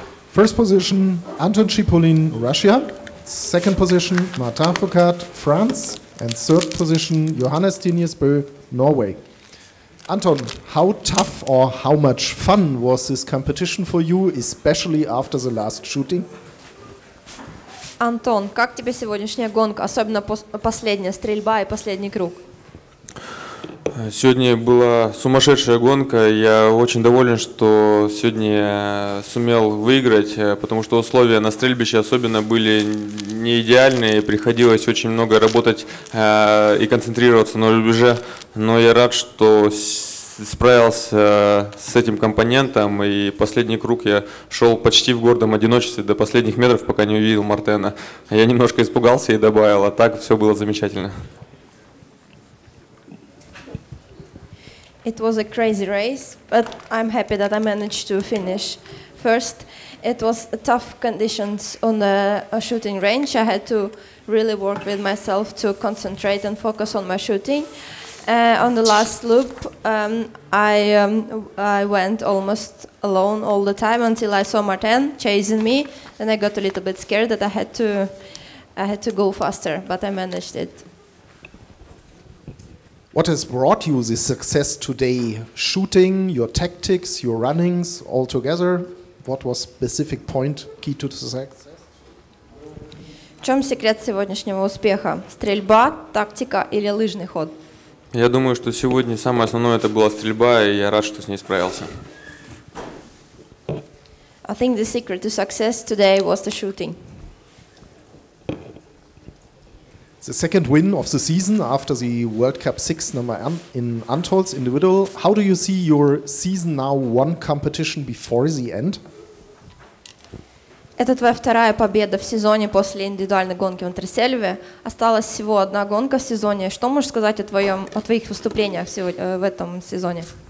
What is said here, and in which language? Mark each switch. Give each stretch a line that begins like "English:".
English: First position, Anton Shipulin, Russia. Second position, Martin Fourcade, France. And third position, Johannes Thingnes, Norway. Anton, how tough or how much fun was this competition for you, especially after the last shooting?
Russian: Антон, как тебе сегодняшняя гонка, особенно последняя стрельба и последний круг? Сегодня была сумасшедшая гонка. Я очень доволен, что сегодня сумел выиграть, потому что условия на стрельбище особенно были не идеальные. Приходилось очень много работать и концентрироваться на рубеже. Но я рад, что справился с этим компонентом, и последний круг я шел почти в гордом одиночестве до последних метров, пока не увидел Мартена. Я немножко испугался и добавил, а так все было замечательно.
English: It was a crazy race, but I'm happy that I managed to finish first. It was tough conditions on the shooting range. I had to really work with myself to concentrate and focus on my shooting. On the last loop, I went almost alone all the time until I saw Martin chasing me. Then I got a little bit scared that I had to go faster, but I managed it. What has brought you this success today? Shooting, your tactics, your runnings all together? What was specific point key to success?
Russian: В чем секрет сегодняшнего успеха? Стрельба, тактика или лыжный ход? Я думаю, что сегодня самое основное это была стрельба, и я рад, что с ней справился.
English: I think the secret to success today was the shooting. The second win of the season after the World Cup 6 number in Antols individual. How do you see your season now, one competition before the end?
Russian: Это твоя вторая победа в сезоне после индивидуальной гонки в Интерсельве. Осталась всего одна гонка в сезоне. Что можешь сказать о твоих выступлениях в этом сезоне?